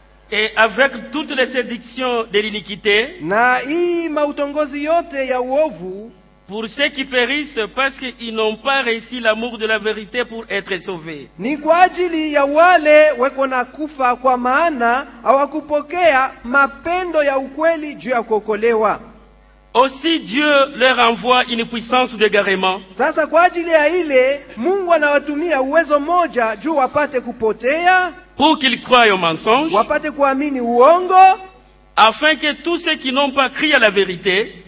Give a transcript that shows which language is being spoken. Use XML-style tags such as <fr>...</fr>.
<fr>Et avec toutes les séductions de l'iniquité,</fr> <sw>na hii mautongozi yote ya uovu,</sw> <fr>pour ceux qui périssent parce qu'ils n'ont pas réussi l'amour de la vérité pour être sauvés.</fr> <sw>Ni kwa ajili ya wale weko na kufa kwa maana hawakupokea mapendo ya ukweli juu ya kuokolewa.</sw> <fr>Aussi Dieu leur envoie une puissance d'égarement.</fr> <sw>Sasa kwa ajili ya ile Mungu anawatumia uwezo moja juu wapate kupotea.</sw> <fr>Pour qu'ils croient au mensonge.</fr> <sw>Wapate kuamini uongo.</sw> <fr>afin que tous ceux qui n'ont pas cru à la vérité,</fr>